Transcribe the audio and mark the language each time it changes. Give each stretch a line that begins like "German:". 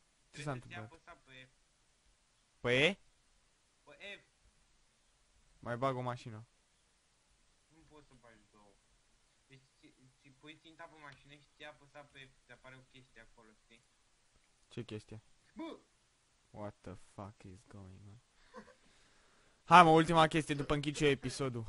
Romanian: Ce s-a întâmplat? Trebuie să-ți ia pe F. Pe E? Pe F. Mai bag o mașină. Nu poți să bagi două. Deci, ți pui ținta pe mașină și ți ia apăsa pe F, ți apare o chestie acolo, știi? Ce chestie? Bă!
English: What the fuck is going on?
Romanian: Hai mă, ultima chestie după închid și eu episodul.